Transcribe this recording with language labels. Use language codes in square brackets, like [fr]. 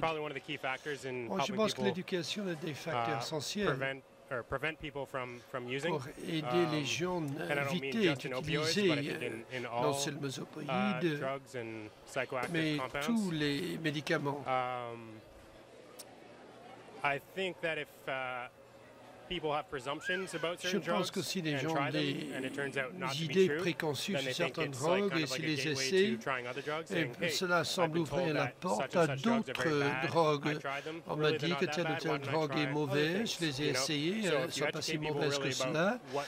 [fr] Bon, je pense que l'éducation est un des facteurs essentiels pour aider les jeunes à éviter d'utiliser non seulement les opioïdes, mais tous les médicaments. [en] I think that if people have presumptions about certain drugs, [fr] je pense que si les gens ont des idées préconçues sur certaines drogues et s'ils les essaient, cela semble ouvrir la porte à d'autres drogues. On m'a dit que telle ou telle drogue est mauvaise, je les ai essayées, elles ne sont pas si mauvaises que cela.